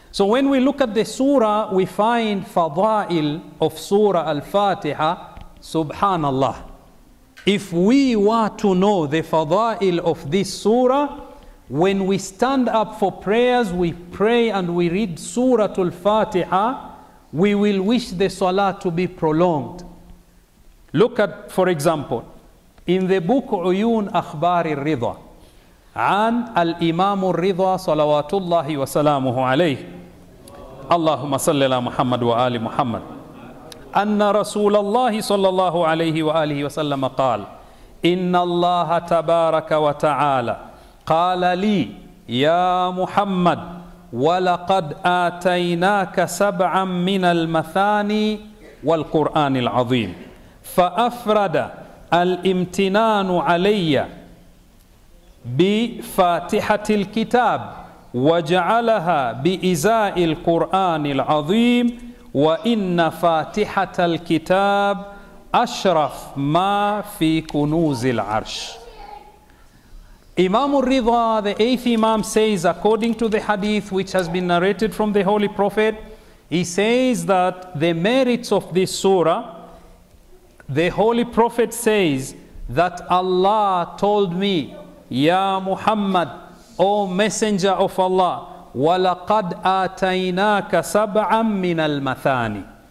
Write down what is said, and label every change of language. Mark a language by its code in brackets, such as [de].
[en] So when we look at the surah, we find fadail of Surah Al-Fatiha. Subhanallah. If we were to know the fadail of this surah, when we stand up for prayers, we pray and we read Surah Al-Fatiha, we will wish the salah to be prolonged. Look at, for example, in the book Uyun Akhbar al-Ridha, [ar] عن الإمام الرضا صلوات الله وسلامه عليه اللهم صل على محمد وآل محمد أن رسول الله صلى الله عليه وآله وسلم قال إن الله تبارك وتعالى قال لي يا محمد ولقد آتيناك سبعا من المثاني والقرآن العظيم فأفرد الامتنان علي بفاتحة الكتاب وجعلها بإزاء القرآن العظيم وإن فاتحة الكتاب أشرف ما في كنوز العرش. [en] Imam al-Ridha, the eighth Imam, says, according to the hadith which has been narrated from the Holy Prophet, he says that the merits of this surah, the Holy Prophet says that Allah told me, Ya Muhammad, O Messenger of Allah, [ar] وَلَقَدْ آتَيْنَاكَ سَبْعًا مِّنَ الْمَثَانِ.